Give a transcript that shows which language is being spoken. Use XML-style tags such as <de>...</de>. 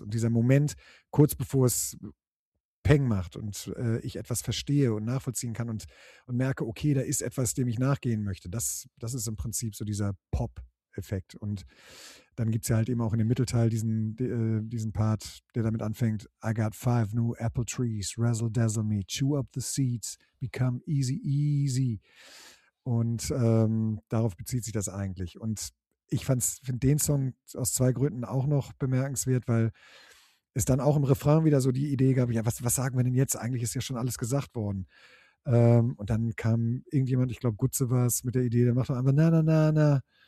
<de>Und dieser Moment, kurz bevor es Peng macht und ich etwas verstehe und nachvollziehen kann und merke, okay, da ist etwas, dem ich nachgehen möchte. Das ist im Prinzip so dieser Pop-Effekt. Und dann gibt es ja halt eben auch in dem Mittelteil diesen Part, der damit anfängt.</de> <en>I got 5 new apple trees, razzle dazzle me, chew up the seeds, become easy, easy.</en> <de>Und darauf bezieht sich das eigentlich. Und ich finde den Song aus 2 Gründen auch noch bemerkenswert, weil es dann auch im Refrain wieder so die Idee gab, ja, was sagen wir denn jetzt? Eigentlich ist ja schon alles gesagt worden. Und dann kam irgendjemand, ich glaube Gutze war es, mit der Idee, der macht einfach na.</de>